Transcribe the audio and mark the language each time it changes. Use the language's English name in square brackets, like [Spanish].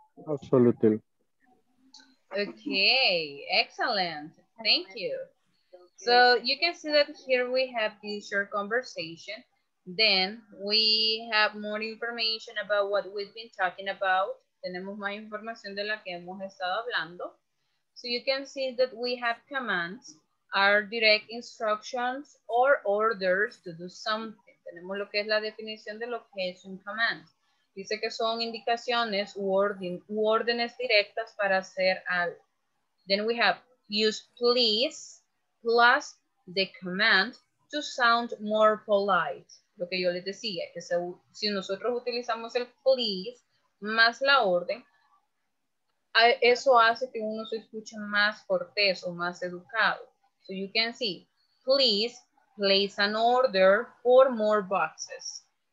[English] Absolutely. Okay, excellent. Thank you. So you can see that here we have the short conversation. Then we have more information about what we've been talking about. [Spanish] Tenemos más información de la que hemos estado hablando. [English] So you can see that we have commands, our direct instructions or orders to do something. [Spanish] Tenemos lo que es la definición de lo que es un command. Dice que son indicaciones u órdenes directas para hacer algo. [English] Then we have use please plus the command to sound more polite. [Spanish] Lo que yo les decía, que si nosotros utilizamos el please más la orden, eso hace que uno se escuche más cortés o más educado. [English] So you can see, please place an order for more boxes.